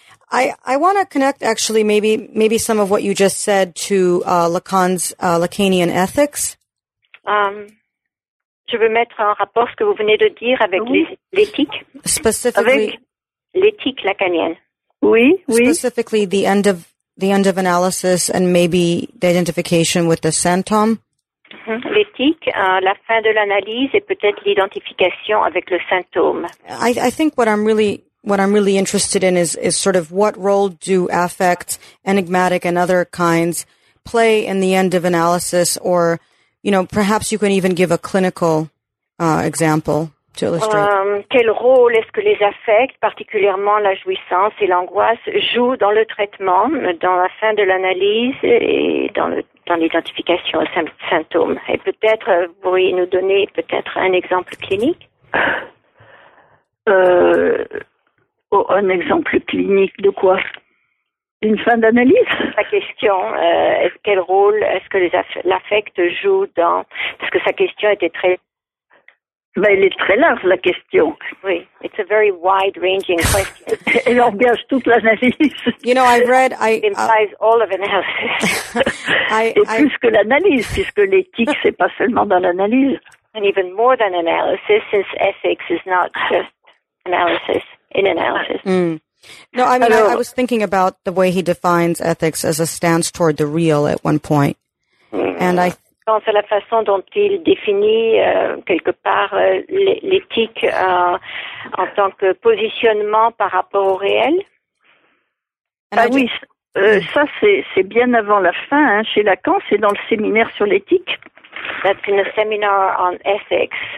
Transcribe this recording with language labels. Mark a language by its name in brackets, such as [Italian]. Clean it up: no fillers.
[English] I want to connect, actually, maybe some of what you just said to Lacan's Lacanian ethics. [French] Je veux mettre en rapport ce que vous venez de dire avec l'éthique. [English] Specifically... [French] Avec l'éthique lacanienne. Oui. [English] Specifically, the end of analysis and maybe the identification with the symptom. Mm-hmm. [French] L'éthique, la fin de l'analyse et peut-être l'identification avec le symptôme. [English] I think what I'm really interested in is sort of what role do affects, enigmatic and other kinds, play in the end of analysis, or, you know, perhaps you can even give a clinical example to illustrate. [French] Quel rôle est-ce que les affects, particulièrement la jouissance et l'angoisse, jouent dans le traitement, dans la fin de l'analyse et dans l'identification aux symptômes? Et peut-être, vous pourriez nous donner peut-être un exemple clinique? Un exemple clinique de quoi? Une fin d'analyse? La question, quel rôle est-ce que l'affect joue dans... Parce que sa question était très... Ben, elle est très large, la question. [English] Oui, it's a very wide-ranging question. [French] Elle engage toute l'analyse. [English] You know, I've read... It implies all of analysis. [French] Et plus que l'analyse, puisque l'éthique, c'est pas seulement dans l'analyse. [English] And even more than analysis, since ethics is not just analysis, in analysis. Mm. No, I mean, I was thinking about the way he defines ethics as a stance toward the real at one point. [French] Quand c'est la façon dont il définit quelque part l'éthique en tant que positionnement par rapport au réel. Ça c'est bien avant la fin, hein, chez Lacan, c'est dans le séminaire sur l'éthique. [English] That's in a seminar on ethics.